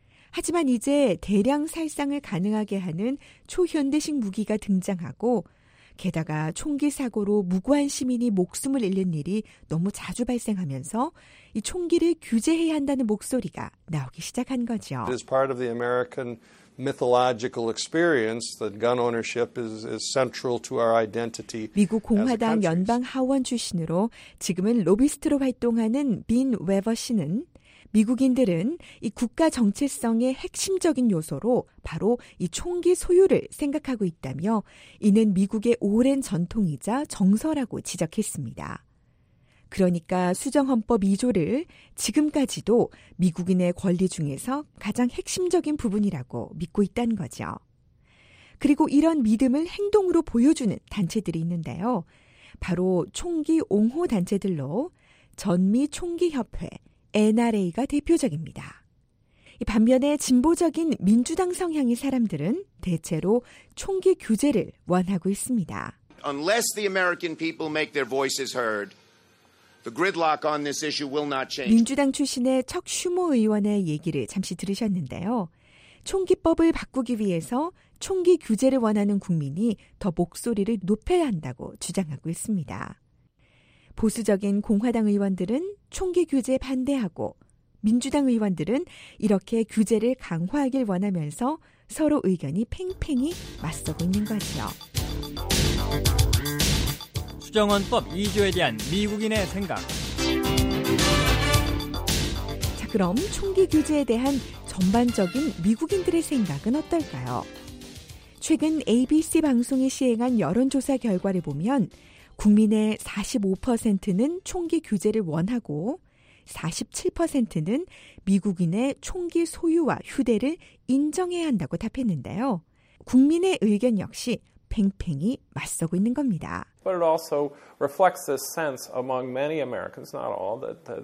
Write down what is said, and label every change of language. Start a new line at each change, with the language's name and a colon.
Korean: 하지만 이제 대량 살상을 가능하게 하는 초현대식 무기가 등장하고 게다가 총기 사고로 무고한 시민이 목숨을 잃는 일이 너무 자주 발생하면서 이 총기를 규제해야 한다는 목소리가 나오기 시작한 거죠.
English: It is part of the American mythological experience that gun ownership is central to our identity.
Korean: 미국 공화당 연방 하원 출신으로 지금은 로비스트로 활동하는 빈 웨버 씨는 미국인들은 이 국가 정체성의 핵심적인 요소로 바로 이 총기 소유를 생각하고 있다며 이는 미국의 오랜 전통이자 정서라고 지적했습니다. 그러니까 수정헌법 2조를 지금까지도 미국인의 권리 중에서 가장 핵심적인 부분이라고 믿고 있다는 거죠. 그리고 이런 믿음을 행동으로 보여주는 단체들이 있는데요. 바로 총기 옹호 단체들로 전미총기협회 NRA가 대표적입니다. 반면에 진보적인 민주당 성향의 사람들은 대체로 총기 규제를 원하고 있습니다.
English: Unless the American people make their voices heard, the gridlock on this issue will not change.
Korean: 민주당 출신의 척 슈모 의원의 얘기를 잠시 들으셨는데요. 총기법을 바꾸기 위해서 총기 규제를 원하는 국민이 더 목소리를 높여야 한다고 주장하고 있습니다. 보수적인 공화당 의원들은 총기 규제에 반대하고 민주당 의원들은 이렇게 규제를 강화하길 원하면서 서로 의견이 팽팽히 맞서고 있는 거죠. 수정헌법 2조에 대한 미국인의 생각. 자, 그럼 총기 규제에 대한 전반적인 미국인들의 생각은 어떨까요? 최근 ABC 방송이 시행한 여론조사 결과를 보면 국민의 45%는 총기 규제를 원하고 47%는 미국인의 총기 소유와 휴대를 인정해야 한다고 답했는데요. 국민의 의견 역시 팽팽히 맞서고 있는 겁니다.
English: But it also reflects this sense among many Americans, not all, that